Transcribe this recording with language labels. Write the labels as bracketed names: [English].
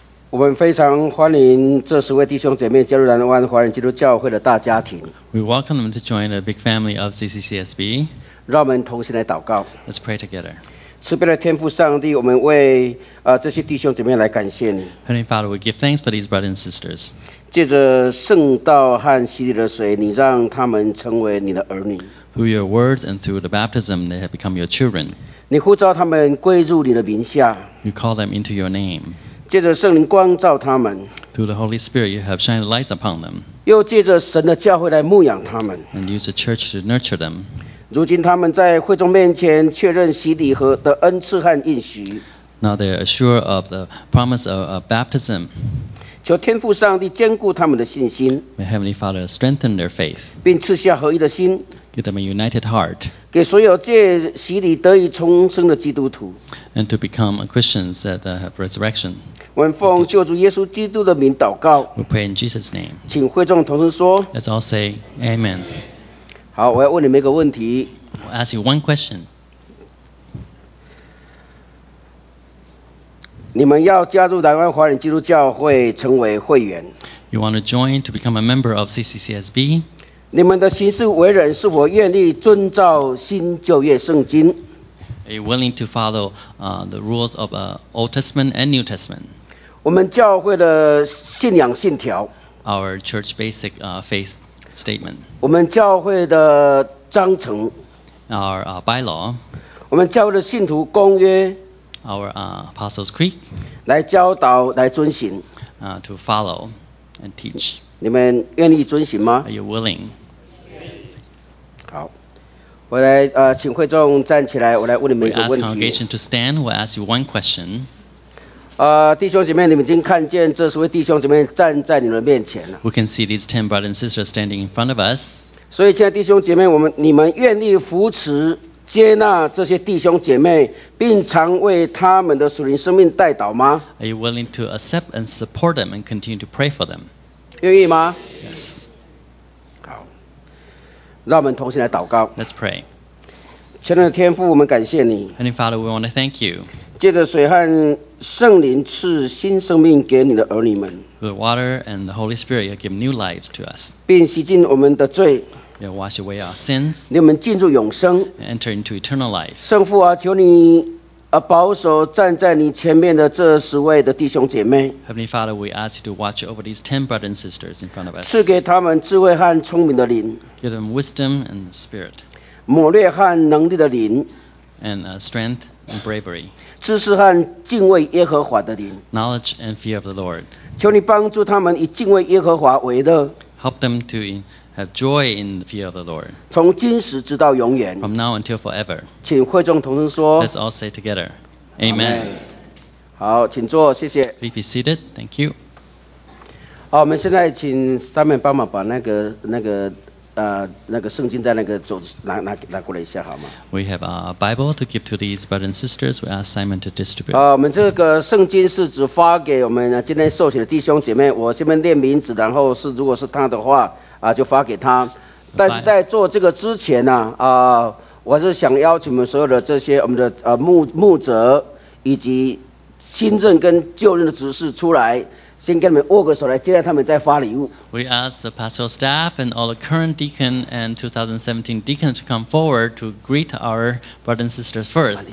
[Chinese] 我们非常欢迎这十位弟兄姐妹加入南湾华人基督教会的大家庭。 [English] We welcome them to join the big family of CCCSB. [Chinese] 让我们同心来祷告。 [English] Let's pray together. [Chinese] 慈悲的天父上帝，我们为这些弟兄姊妹来感谢你。 [English] Heavenly Father, we give thanks for these brothers and sisters. [Chinese] 借着圣道和洗礼的水，你让他们成为你的儿女。 [English] Through your words and through the baptism, they have become your children. [Chinese] 你呼召他们归入你的名下。 [English] You call them into your name. [Chinese] 借着圣灵光照他们 [English] ，Through the Holy Spirit, you have shined lights upon them. [Chinese] 又借着神的教会来牧养他们 [English] ，And use the church to nurture them. [Chinese] 如今他们在会众面前确认洗礼和的恩赐和应许 [English] ，Now they are assured of the promise of baptism. [Chinese] 求天父上帝坚固他们的信心 [English] ，May Heavenly Father strengthen their faith. [Chinese] 并赐下合一的心 [English] ，Give them a united heart. [Chinese] 给所有借洗礼得以重生的基督徒 [English] ，And to become Christians that have resurrection. [Chinese] 我们奉救主耶稣基督的名祷告。 [English] We pray in Jesus' name. [Chinese] 请会众同声说。 [English] Let's all say Amen. [Chinese] 好，我要问你们一个问题。 [English] I'll ask you one question. [Chinese] 你们要加入台湾华人基督教会成为会员。 [English] You want to join to become a member of CCCSB? [Chinese] 你们的行事为人是否愿意遵照新旧约圣经？ [English] Are you willing to follow the rules of Old Testament and New Testament? [Chinese] 我们教会的信仰信条 [English] Our church basic faith statement [Chinese] 我们教会的章程 [English] Our bylaw [Chinese] 我们教会的信徒公约 [English] Our Apostles Creed [Chinese] 来教导来遵行 [English] To follow and teach [Chinese] 你们愿意遵行吗 [English] Are you willing? [Chinese] 好我来请会众站起来，我来问你们一个问题。 [English] We ask congregation to stand. We'll ask you one question. [Chinese] 弟兄姐妹，你们已经看见这十位弟兄姐妹站在你们面前了。 [English] We can see these 10 brothers and sisters standing in front of us. [Chinese] 所以，亲爱的弟兄姐妹，你们愿意扶持、接纳这些弟兄姐妹，并常为他们的属灵生命代祷吗 [English] ？Are you willing to accept and support them and continue to pray for them? [Chinese] 愿意吗 [English] ？Yes. [Chinese] 让我们同心来祷告。 [English] Let's pray. [Chinese] 全能的天父，我们感谢你。 [English] Heavenly Father, we want to thank you. [Chinese] 借着水和圣灵赐新生命给你的儿女们。 [English] The water and the Holy Spirit have given new lives to us. [Chinese] 并洗净我们的罪。 [English] You wash away our sins. [Chinese] 让我们进入永生。 [English] Enter into eternal life. [Chinese] 圣父啊，求你保守站在你前面的这十位的弟兄姐妹。 [English] Heavenly Father, we ask you to watch over these 10 brothers and sisters in front of us. [Chinese] 赐给他们智慧和聪明的灵。 [English] Give them wisdom and spirit. [Chinese] 谋略和能力的灵。 [English] And strength and bravery. [Chinese] 知识和敬畏耶和华的灵。 [English] Knowledge and fear of the Lord. [Chinese] 求你帮助他们以敬畏耶和华为乐。 [English] Help them to have joy in the fear of the Lord. [Chinese] 从今时直到永远。 [English] From now until forever. [Chinese] 请会众同声说。 [English] Let's all say together. Amen. Amen. [Chinese] 好，请坐，谢谢。 [English] Please be seated. Thank you. [Chinese] 好，我们现在请Simon帮忙把那个圣经在那个桌拿过来一下好吗 [English] ？We have a Bible to give to these brothers and sisters. We ask Simon to distribute. [Chinese] 我们这个圣经是只发给我们今天受洗的弟兄姐妹。我这边念名字，然后是如果是他的话。就发给他。但是在做这个之前呢、我是想邀请我们所有的这些我们的牧者以及新任跟旧任的执事出来，先跟他们握个手来接待他们，再发礼物。 [English] We ask the pastoral staff and all the current deacon and 2017 deacons to come forward to greet our brothers and sisters first.